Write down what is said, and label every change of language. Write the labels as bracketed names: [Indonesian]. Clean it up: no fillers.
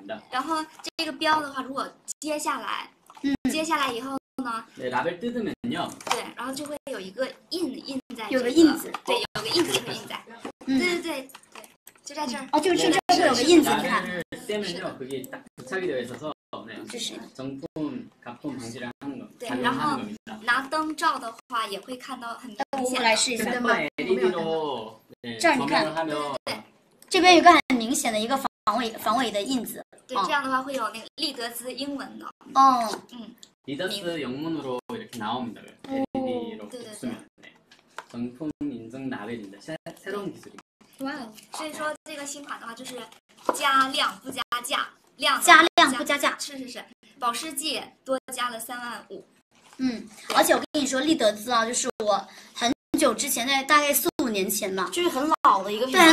[Chinese] 然后这个标的话，如果揭下来，揭下来以后。 [Korean] 네라벨뜯으면요 [Chinese] 对然后就会有一个印在、这个、有个印子对有个印子印在对对对对就在这儿哦就是这儿会有个印子你看 [Korean] 라벨뜯으면요그게딱부착이되어있어서네 [Chinese] 就是 [Korean] 정품각품방지를하는거 [Chinese] 对然后拿灯照的话也会看到很明显我们来试一下对吗 LED 로 这儿你看对这边有个很明显的一个防伪的印子对这样的话会有那个利德兹英文的哦 [Korean] 리더스영문으로이렇게나옵니다 LED 로쓰면 네, 정품인증라벨입니다 새로운 기술입니다 와 [Chinese] 所以说这个新款的话就是加量不加价量加量不加价是是是保湿剂多加了35000 而且我跟你说利德兹啊就是我很久之前在大概4-5年前嘛就是很老的一个品牌、啊、